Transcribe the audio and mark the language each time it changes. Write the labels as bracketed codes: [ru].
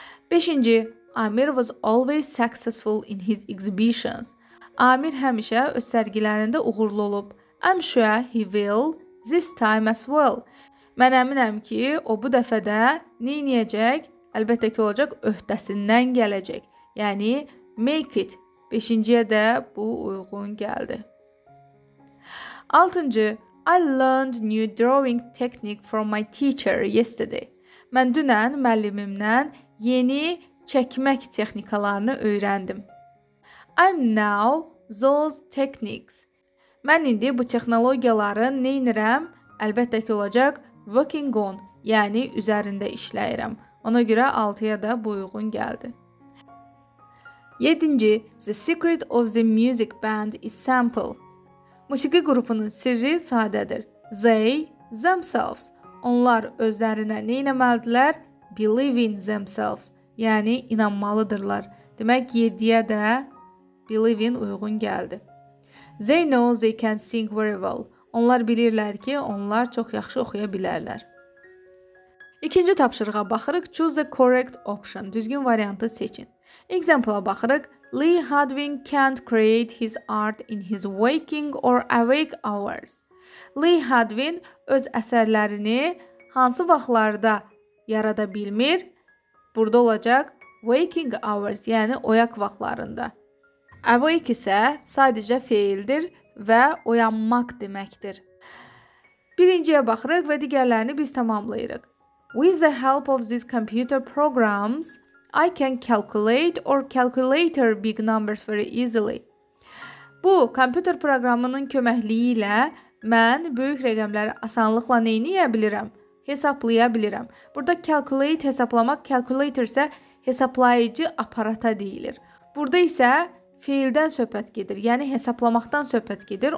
[en] Beşinci, Amir was always successful in his exhibitions. [az] Amir həmişə öz sərgilərində uğurlu olub. [en] I'm sure he will this time as well. [az] Mən əminəm ki, o bu dəfə də neyniyəcək? Əlbəttə ki, olacaq öhdəsindən gələcək. Yəni, make it. Beşinciyə də bu uyğun gəldi. [en] Altıncı, I learned new drawing technique from my teacher yesterday. [az] Mən dünən müəllimimdən yeni çəkmək texnikalarını öyrəndim. [en] I'm now those techniques. [az] Mən indi bu texnologiyaları neynirəm? Əlbəttə ki, olacaq working on, yəni üzərində işləyirəm. Ona görə 6-ya da bu uyğun gəldi. [en] 7-ci, the secret of the music band is simple. [az] Musiqi qrupunun sirri sadədir. [en] They, themselves. [az] Onlar özlərinə neynəməlidirlər? [en] Believe in themselves. [az] Yəni, inanmalıdırlar. Demək, 7-yə də believe in uyğun gəldi. [en] They know they can sing very well. [az] Onlar bilirlər ki, onlar çox yaxşı oxuya bilərlər. İkinci tapşırığa baxırıq. [en] Choose the correct option. [az] Düzgün variantı seçin. Example-a baxırıq. [en] Lee Hodwin can't create his art in his waking or awake hours. [az] Lee Hodwin öz əsərlərini hansı vaxtlarda yarada bilmir? Burada olacaq waking hours, yəni oyaq vaxtlarında. Awake isə sadəcə feildir və oyanmaq deməkdir. Birinciyə baxırıq və digərlərini biz tamamlayırıq. [en] With the help of these computer programs, I can calculate or calculator big numbers very easily. [az] Bu, kompüter proqramının köməkliyi ilə mən böyük rəqəmləri asanlıqla neyniyə bilirəm? Hesablaya bilirəm. Burada calculate hesablamaq, calculator isə hesablayıcı aparata deyilir. Burada isə fiildən söhbət gedir, yəni hesablamaqdan söhbət gedir.